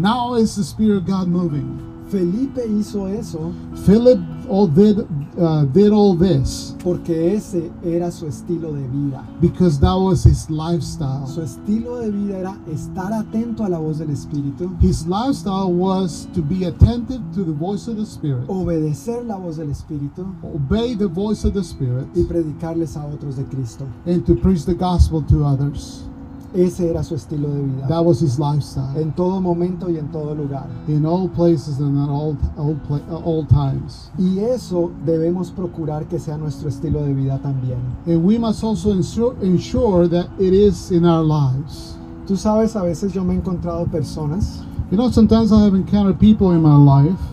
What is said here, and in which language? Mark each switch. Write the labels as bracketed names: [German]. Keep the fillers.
[English] Now is the Spirit of God moving. [Spanish] Felipe hizo eso. [English] Philip all did, uh, did all this. [Spanish] Porque ese era su estilo de vida. [English] Because that was his lifestyle. [Spanish] Su estilo de vida era estar atento a la voz del Espíritu. [English] His lifestyle was to be attentive to the voice of the Spirit. [Spanish] Obedecer la voz del Espíritu. [English] Obey the voice of the Spirit. [Spanish] Y predicarles a otros de Cristo. [English] And to preach the gospel to others. [Spanish] Ese era su estilo de vida. [English] That was his lifestyle. [Spanish] En todo momento y en todo lugar. [English] In all places and at all, all, all, times. [Spanish] Y eso debemos procurar que sea nuestro estilo de vida también. [English] And we must also ensure, ensure that it is in our lives. [Spanish] Tú sabes, a veces yo me he encontrado personas. [English] You know, sometimes I have encountered people in my life.